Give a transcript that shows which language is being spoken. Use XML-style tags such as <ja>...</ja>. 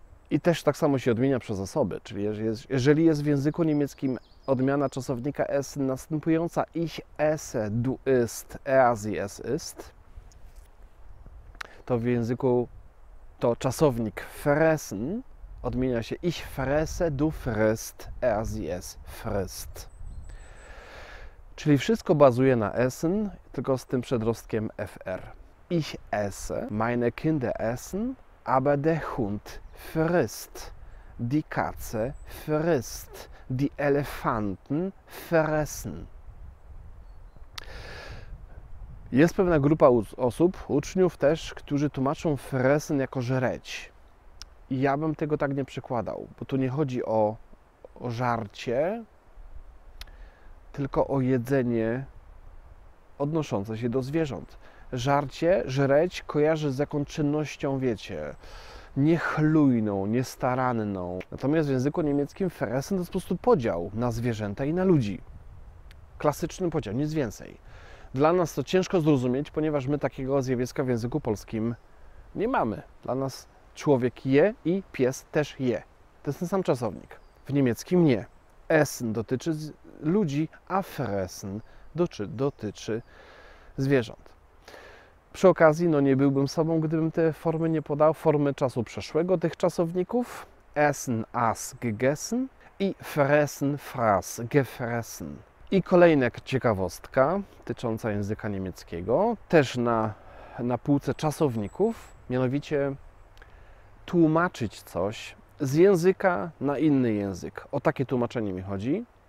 <pl>I też tak samo się odmienia przez osoby, czyli jeżeli jest w języku niemieckim odmiana czasownika essen następująca</pl> <de>ich esse, du ist, er, sie, es ist,</de> <pl>to w języku to czasownik fressen odmienia się</pl> <de>ich fresse, du frisst, er, sie, es frisst.</de> <pl>Czyli wszystko bazuje na essen, tylko z tym przedrostkiem fr.</pl> <de>Ich esse, meine Kinder essen, aber der Hund frisst, die Katze frisst, die Elefanten fressen.</de> <pl>Jest pewna grupa osób, uczniów też, którzy tłumaczą fressen jako żreć. Ja bym tego tak nie przekładał, bo tu nie chodzi o żarcie, tylko o jedzenie odnoszące się do zwierząt. Żarcie, żreć kojarzy z jaką czynnością, wiecie, niechlujną, niestaranną. Natomiast w języku niemieckim fressen to jest po prostu podział na zwierzęta i na ludzi. Klasyczny podział, nic więcej. Dla nas to ciężko zrozumieć, ponieważ my takiego zjawiska w języku polskim nie mamy. Dla nas człowiek je i pies też je. To jest ten sam czasownik. W niemieckim nie. Essen dotyczy ludzi, a fressen dotyczy zwierząt. Przy okazji, no nie byłbym sobą, gdybym te formy nie podał, formy czasu przeszłego tych czasowników.</pl> <de>Essen, as, gegessen i fressen, fraß, gefressen.</de> <pl>I kolejna ciekawostka tycząca języka niemieckiego, też na półce czasowników, mianowicie tłumaczyć coś z języka na inny język. O takie tłumaczenie mi chodzi.</pl>